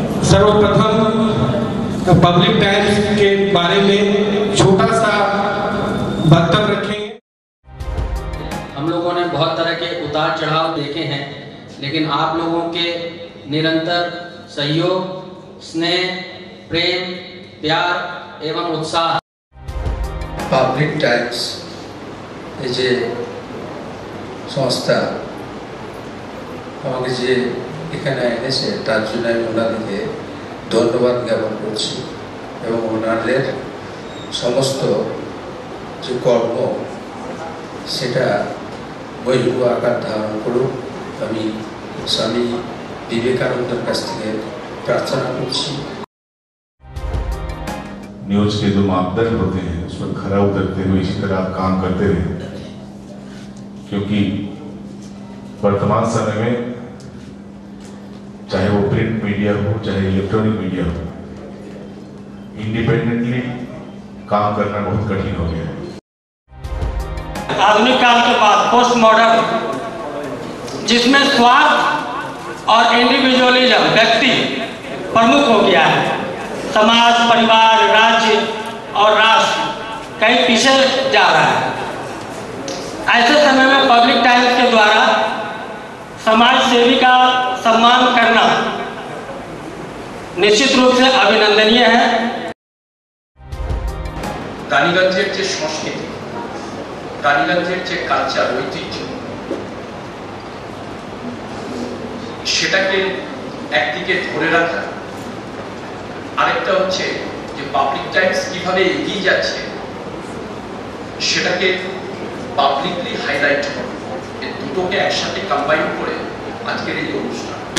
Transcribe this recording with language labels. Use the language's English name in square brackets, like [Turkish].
[Hindi] सर्वप्रथम public times के बारे में छोटा सा वक्तव्य रखें। हम लोगों ने बहुत तरह के उतार चढ़ाव देखे हैं, लेकिन आप लोगों के निरंतर सहयोग, स्नेह, प्रेम, प्यार एवं उत्साह। [Bangla] पब्लिक टाइम्स जे संस्था जे এখানে এনেছে তার জন্য আমি ওনাদেরকে ধন্যবাদ জ্ঞাপন করছি এবং ওনাদের সমস্ত যে কর্ম সেটা বহু আকার ধারণ করুক। আমি স্বামী বিবেকানন্দের কাছ থেকে প্রার্থনা করছি। [Hindi] न्यूज के जो मापदंड होते हैं उस पर खरा उतरते हुए इसी तरह आप काम करते रहे, क्योंकि वर्तमान समय में चाहे वो प्रिंट मीडिया हो चाहे इलेक्ट्रॉनिक मीडिया हो, इंडिपेंडेंटली काम करना बहुत कठिन हो गया है। आधुनिक काल के बाद पोस्ट मॉडर्न, जिसमें स्वार्थ और इंडिविजुअलिज्म व्यक्ति प्रमुख हो गया है, समाज परिवार राज्य और राष्ट्र कहीं पीछे जा रहा है। ऐसे समय में पब्लिक टाइम्स के द्वारा समाज सेवी का सम्मान करना निश्चित रूप से अभिनंदनीय है। [Bangla] कालीगंजের যে সংস্কৃতি, কালীগঞ্জের যে কালচার ঐতিহ্য, সেটাকে একদিকে ধরে রাখা, আরেকটা হচ্ছে যে পাবলিক টাইমস কিভাবে এগিয়ে যাচ্ছে সেটাকে পাবলিকলি হাইলাইট করা, এই দুটোকে একসাথে কম্বাইন করে আজকের এই অনুষ্ঠান।